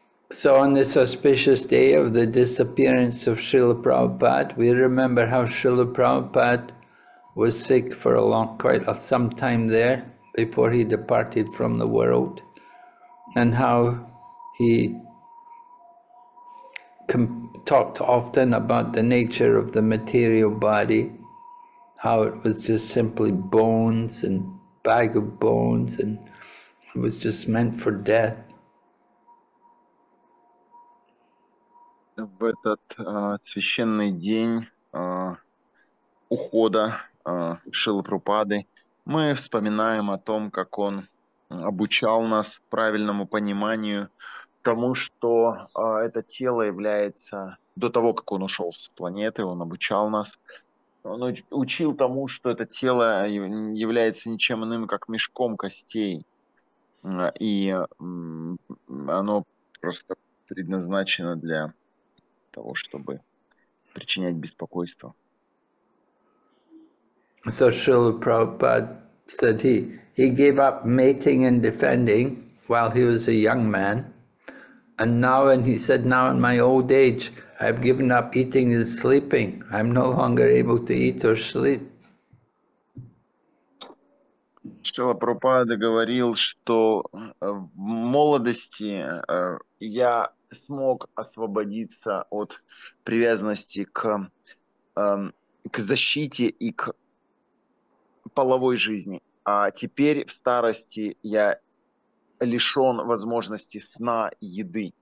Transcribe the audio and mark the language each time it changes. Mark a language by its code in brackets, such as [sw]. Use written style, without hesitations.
[en] So on this auspicious day of the disappearance of Srila Prabhupada, we remember how Srila Prabhupada was sick for quite some time there, before he departed from the world, and how he talked often about the nature of the material body, how it was just simply bones and bag of bones, and it was just meant for death. [ru] В этот священный день ухода Шрилы Прабхупады мы вспоминаем о том, как он обучал нас правильному пониманию тому, что это тело является, до того, как он ушел с планеты, он обучал нас, он учил тому, что это тело является ничем иным, как мешком костей, и оно просто предназначено для того, чтобы причинять беспокойство. [en] So Srila Prabhupada said he gave up mating and defending while he was a young man, and now, and he said, now in my old age, I've given up eating and sleeping. I'm no longer able to eat or sleep. [ru] Шрила Прабхупада говорил, что в молодости я смог освободиться от привязанности к защите и к половой жизни, а теперь в старости я лишен возможности сна и еды.